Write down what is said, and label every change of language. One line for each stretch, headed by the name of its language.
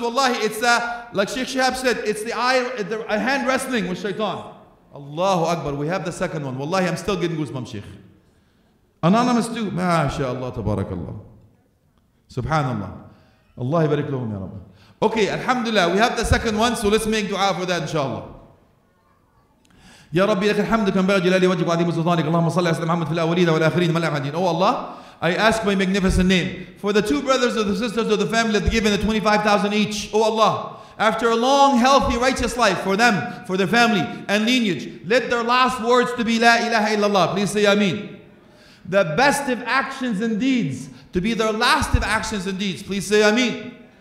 English: Wallahi, it's that, like Sheikh Shihab said, it's the hand wrestling with shaitan. Allahu Akbar, we have the second one. Wallahi, I'm still getting goosebumps, Sheikh. Anonymous too. MashaAllah, tabarakallah. Subhanallah. Allah barik lahum, ya Rabbi. Okay, alhamdulillah, we have the second one, so let's make dua for that, inshallah.
Arabic: يا ربي لك الحمد كما ينبغي جلال وجهك وعظيم سلطانك اللهم صل على سيدنا محمد في الاولين والاخرين ملا عدين.
English: Oh Allah, I ask my magnificent name for the two brothers or the sisters of the family that given the 25,000 each. Oh Allah, after a long, healthy, righteous life for them, for their family and lineage, let their last words to be La ilaha illallah. Please say Ameen. The best of actions and deeds to be their last of actions and deeds. Please say Ameen.